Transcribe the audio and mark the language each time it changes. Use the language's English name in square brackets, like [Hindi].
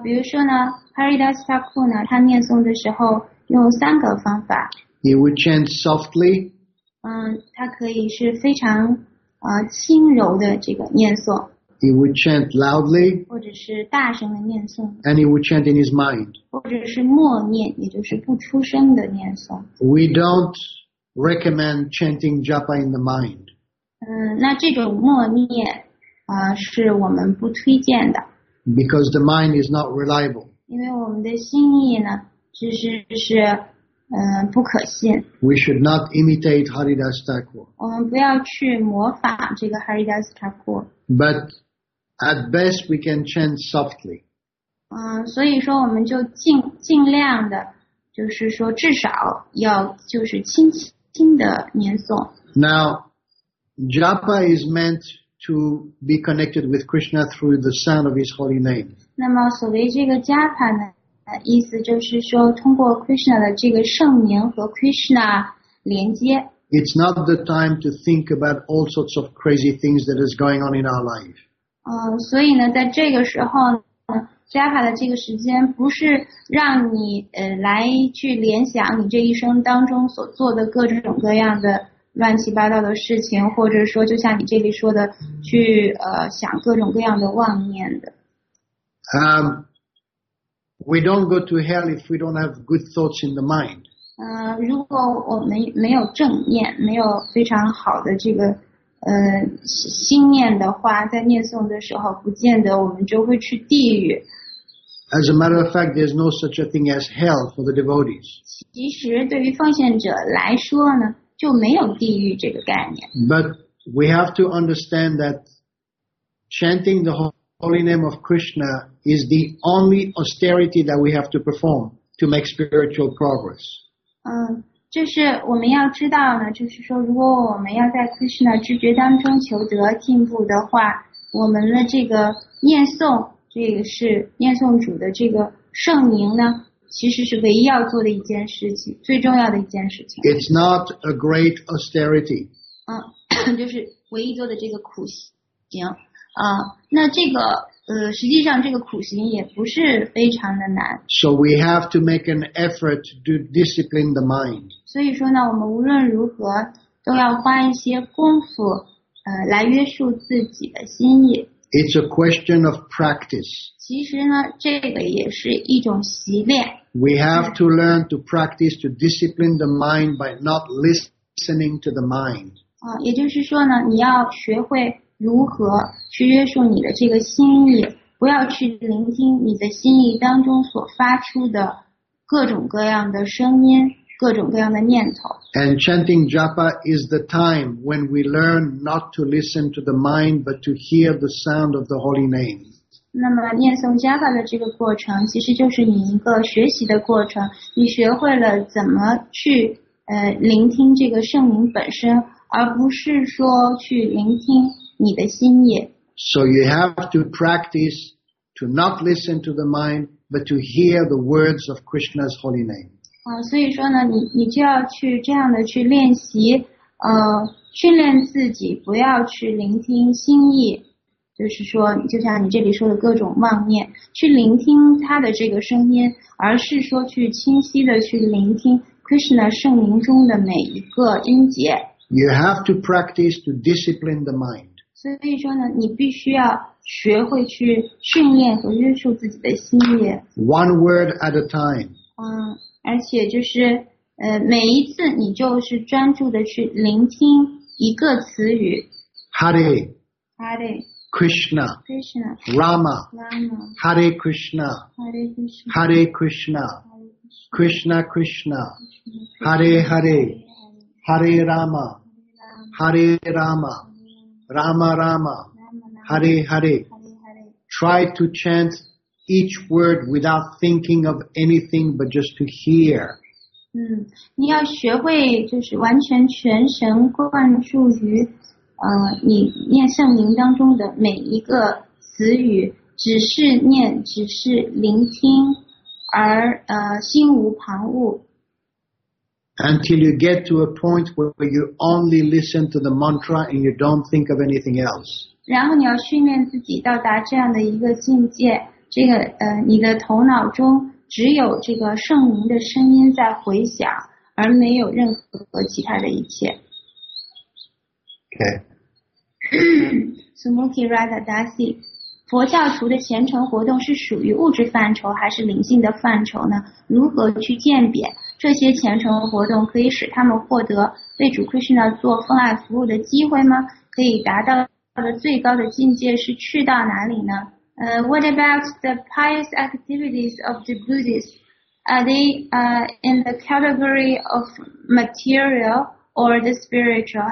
[Chinese] 比如说呢 ，Haridastaku 呢，他念诵的时候用三个方法。 [English] He would chant softly. [Chinese] 他可以是非常轻柔的这个念诵。 [English] He would chant loudly. [Chinese] 或者是大声的念诵。 [English] And he would chant in his mind. [Chinese] 或者是默念，也就是不出声的念诵。 [English] We don't recommend chanting japa in the mind. [Chinese] 那这种默念是我们不推荐的。 [English] Because the mind is not reliable. [Chinese] 因为我们的心意呢，就是不可信。 [English] We should not imitate Haridas Thakur. [Chinese] 我们不要去模仿这个 Haridas Thakur. [English] But at best, we can chant softly. [Chinese] 所以说我们就尽量的，就是说至少要就是轻轻的念诵。 [English] Now, Japa is meant to be connected with Krishna through the sound of His holy name. [Chinese] 那么所谓这个 Japa 呢？意思就是说通过 Krishna 的这个圣名和 Krishna 连接。 [English] It's not the time to think about all sorts of crazy things that is going on in our life. [Chinese] 所以呢在这个时候呢 Japa 的这个时间不是让你来去联想你这一生当中所做的各种各样的乱七八糟的事情，或者说就像你这里说的去想各种各样的妄念的。 [English] We don't go to hell if we don't have good thoughts in the mind. [Chinese] 如果我们没有正念，没有非常好的这个心念的话，在念诵的时候，不见得我们就会去地狱。 [English] As a matter of fact, there's no such a thing as hell for the devotees. [Chinese] 其实对于奉献者来说呢，就没有地狱这个概念。 [English] But we have to understand that chanting the holy name of Krishna is the only austerity that we have to perform to make spiritual progress. [Chinese] 这是我们要知道呢，就是说如果我们要在 Krishna 知觉当中求得进步的话，我们的这个念诵，这个是念诵主的这个圣名呢，其实是唯一要做的一件事情，最重要的一件事情。 [English] It's not a great austerity. [Chinese] 就是唯一做的这个苦行。那这个实际上这个苦行也不是非常的难。 [English] So we have to make an effort to discipline the mind. [Chinese] 所以说呢，我们无论如何都要花一些功夫来约束自己的心意。 [English] It's a question of practice. [Chinese] 其实呢，这个也是一种习练。 [English] We have to learn to practice to discipline the mind by not listening to the mind. [Chinese] 也就是说呢，你要学会如何去约束你的这个心意，不要去聆听你的心意当中所发出的各种各样的声音，各种各样的念头。 [English] And chanting japa is the time when we learn not to listen to the mind, but to hear the sound of the holy name. [Chinese] 那么念诵 japa 的这个过程，其实就是你一个学习的过程，你学会了怎么去聆听这个圣名本身，而不是说去聆听你的心意。 [English] So you have to practice to not listen to the mind, but to hear the words of Krishna's holy name. [Chinese] 所以说呢，你就要去这样的去练习，训练自己不要去聆听心意，就是说，就像你这里说的各种妄念，去聆听他的这个声音，而是说去清晰的去聆听 Krishna 圣名中的每一个音节。 [English] You have to practice to discipline the mind. [Chinese] 所以说呢，你必须要学会去训练和约束自己的心意。 [English] One word at a time. [Chinese] 而且就是每一次你就是专注的去聆听一个词语。 [Sanskrit] Hare. Hare. Krishna. Krishna. Rama. Rama. Hare Krishna. Hare Krishna. Hare Krishna. Hare Krishna. Krishna Krishna. Hare Hare. Hare Rama. Hare Rama. Rama Rama, Hare Hare. [English] Try to chant each word without thinking of anything but just to hear. [Chinese] 你要学会就是完全全神贯注于你念圣名当中的每一个词语，只是念，只是聆听，而心无旁骛。 [English] until you get to a point where you only listen to the mantra and you don't think of anything else. [Chinese] 然后你要训练自己到达这样的一个境界，这个你的头脑中只有这个圣灵的声音在回响，而没有任何其他的一切。 [English] Okay. [Chinese] Sumukhi Radha Dasi, 佛教徒的虔诚活动是属于物质范畴还是灵性的范畴呢？如何去鉴别这些虔诚活动可以使他们获得为主 Krishna 做奉爱服务的机会吗？可以达到的最高的境界是去到哪里呢？ [English] What about the pious activities of the Buddhists? Are they in the category of material or the spiritual?